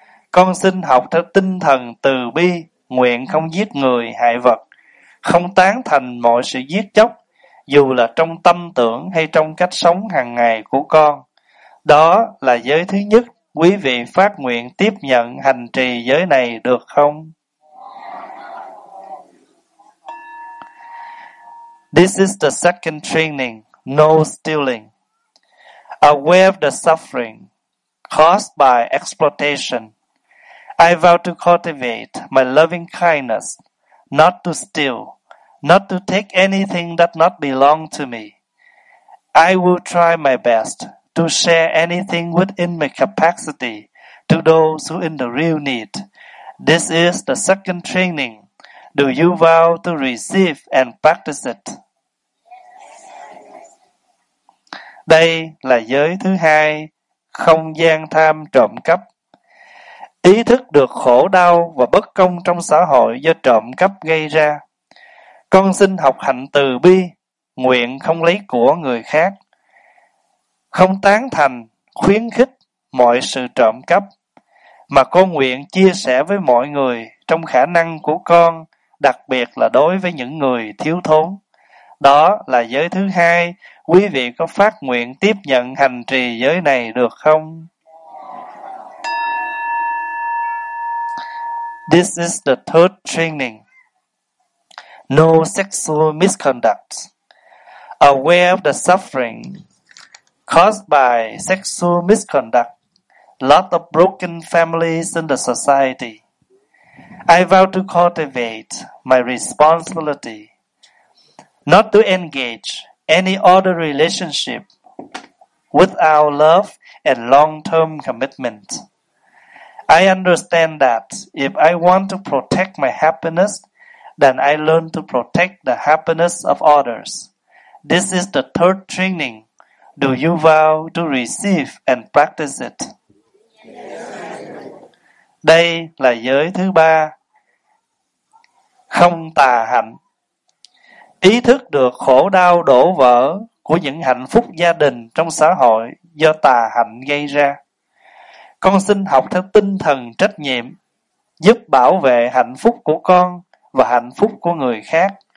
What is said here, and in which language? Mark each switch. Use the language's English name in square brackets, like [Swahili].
[Vietnamese] Con xin học theo tinh thần từ bi, nguyện không giết người, hại vật. Không tán thành mọi sự giết chóc, dù là trong tâm tưởng hay trong cách sống hàng ngày của con. Đó là giới thứ nhất, quý vị phát nguyện tiếp nhận hành trì giới này được không? [English] This is the second training, no stealing. Aware of the suffering caused by exploitation, I vow to cultivate my loving kindness, not to steal, not to take anything that not belong to me. I will try my best to share anything within my capacity to those who in the real need. This is the second training. Do you vow to receive and practice it? [Vietnamese] Đây là giới thứ hai, không gian tham trộm cắp. Ý thức được khổ đau và bất công trong xã hội do trộm cắp gây ra. Con xin học hạnh từ bi, nguyện không lấy của người khác. Không tán thành, khuyến khích mọi sự trộm cắp, mà con nguyện chia sẻ với mọi người trong khả năng của con, đặc biệt là đối với những người thiếu thốn. Đó là giới thứ hai. Quý vị có phát nguyện tiếp nhận hành trì giới này được không? [English] This is the third training. No sexual misconduct. Aware of the suffering caused by sexual misconduct. Lot of broken families in the society. I vow to cultivate my responsibility not to engage any other relationship without love and long-term commitment. I understand that if I want to protect my happiness, then I learn to protect the happiness of others. This is the third training. Do you vow to receive and practice it? [Vietnamese] Đây là giới thứ ba, không tà hạnh. Ý thức được khổ đau đổ vỡ của những hạnh phúc gia đình trong xã hội do tà hạnh gây ra. Con xin học theo tinh thần trách nhiệm, giúp bảo vệ hạnh phúc của con và hạnh phúc của người khác.